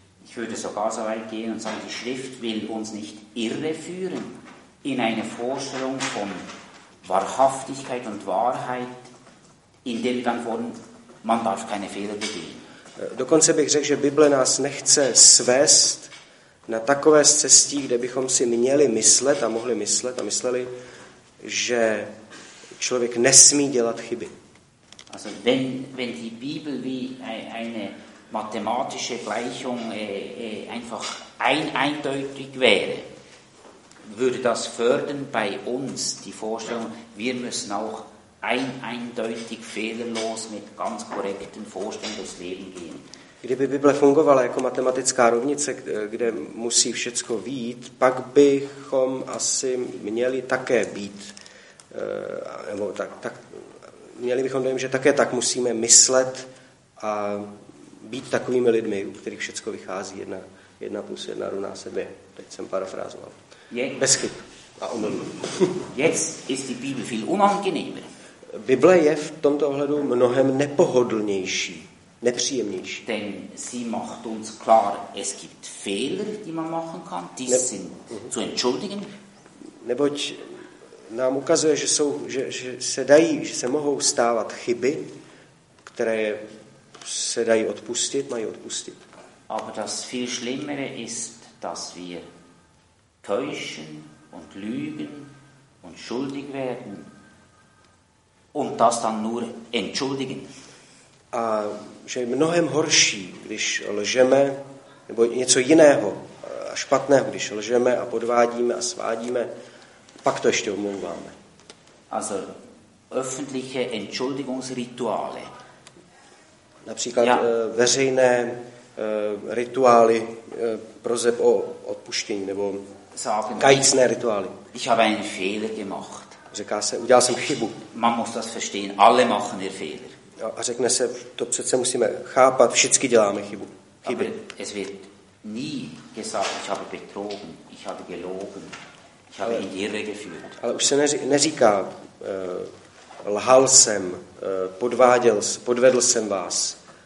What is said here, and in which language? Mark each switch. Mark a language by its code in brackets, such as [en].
[de] Ich würde sogar so weit gehen und sagen, die Schrift will uns nicht irreführen in eine Vorstellung von Wahrhaftigkeit und Wahrheit, in dem dann von man darf keine Fehler begehen. [cs] Dokonce bych řekl, že Bible nás nechce svést na takové cestě, kde bychom si měli myslet a mohli myslet a mysleli, že člověk nesmí dělat chyby. [de] Also wenn die Bibel wie eine mathematische Gleichung einfach eindeutig wäre, würde das fördern bei uns die Vorstellung, wir müssen auch eindeutig fehlerlos mit ganz korrekten Vorstellungen durchs Leben gehen. [cs] Kdyby Bible fungovala jako matematická rovnice, kde musí všecko vyjít, pak bychom asi měli také být, nebo tak měli bychom dojem, že také tak musíme myslet a být takovými lidmi, u kterých všecko vychází jedna plus jedna rovná se dvě. Teď jsem parafrázoval. Bez chyb. A Bible je v tomto ohledu mnohem nepohodlnější. Nepříjemnější. [de] Denn sie macht uns klar, es gibt Fehler, die man machen kann, die sind zu entschuldigen. [cs] Neboť nám ukazuje, že se mohou stávat chyby, které se dají odpustit, mají odpustit. [de] Aber das viel schlimmere ist, dass wir täuschen und lügen und schuldig werden und das dann nur entschuldigen. [cs] A že je mnohem horší, když lžeme, nebo něco jiného a špatného, když lžeme a podvádíme a svádíme, pak to ještě omlouváme. [de] Also, öffentliche Entschuldigungsrituale. [cs] Například veřejné rituály prozeb o odpuštění, nebo kajícné rituály. [de] Ich habe einen Fehler gemacht. [cs] Říká se, udělal jsem chybu. [de] Man muss das verstehen, alle machen ihr Fehler. [cs] A řekne se, to přece musíme chápat, všichni děláme chybu. Chyby. [de] Es wird nie gesagt, ich habe betrogen, ich habe gelogen, ich habe in die Irre geführt. [cs] Ale už se neříká, lhal jsem, podvedl jsem vás,